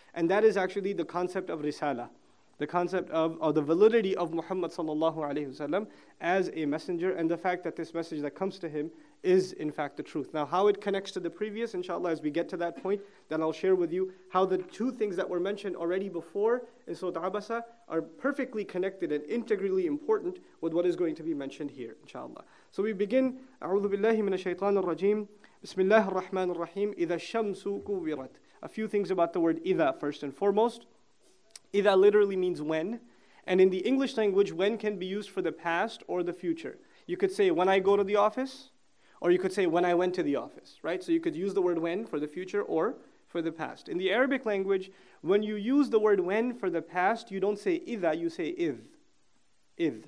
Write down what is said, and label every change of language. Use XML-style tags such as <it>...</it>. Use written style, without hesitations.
<en>And that is actually the concept of risalah. The concept of or the validity of Muhammad sallallahu alayhi wasallam as a messenger, and the fact that this message that comes to him is in fact the truth. Now how it connects to the previous, inshallah, as we get to that point, then I'll share with you how the two things that were mentioned already before in Surah Abasa are perfectly connected and integrally important with what is going to be mentioned here, inshallah. So we begin,</en> <ar>أعوذ بالله من الشيطان الرجيم بسم الله الرحمن الرحيم إذا الشمس كورت.</ar> <en>A few things about the word إذا first and foremost. Ida literally means when. And in the English language, when can be used for the past or the future. You could say when I go to the office, or you could say when I went to the office, right? So you could use the word when for the future or for the past. In the Arabic language, when you use the word when for the past, you don't say Ida, you say Idh. Idh.</en>